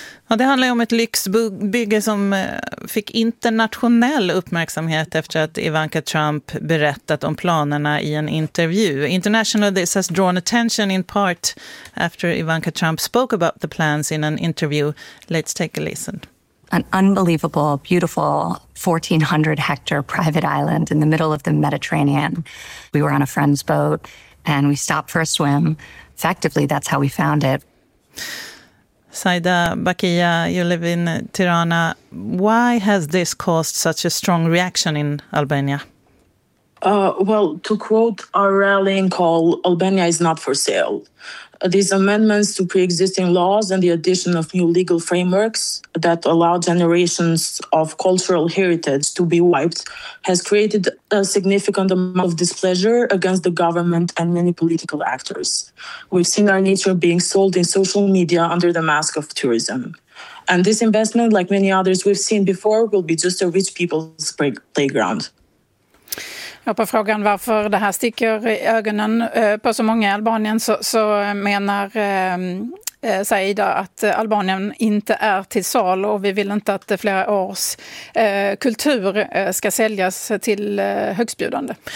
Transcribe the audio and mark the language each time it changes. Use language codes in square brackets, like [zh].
[sv] Ja, det handlar ju om ett lyxbygge som fick internationell uppmärksamhet efter att Ivanka Trump berättat om planerna i en intervju. [en] International, this has drawn attention in part after Ivanka Trump spoke about the plans in an interview. Let's take a listen. An unbelievable, beautiful 1,400-hectare private island in the middle of the Mediterranean. We were on a friend's boat and we stopped for a swim. Effectively, that's how we found it. Saida Bakia, you live in Tirana. Why has this caused such a strong reaction in Albania? Well, to quote our rallying call, Albania is not for sale. These amendments to pre-existing laws and the addition of new legal frameworks that allow generations of cultural heritage to be wiped has created a significant amount of displeasure against the government and many political actors. We've seen our nature being sold in social media under the mask of tourism. And this investment, like many others we've seen before, will be just a rich people's playground. [sv] Och på frågan varför det här sticker i ögonen på så många i Albanien, så menar Saida att Albanien inte är till sal, och vi vill inte att flera års kultur ska säljas till högstbjudande.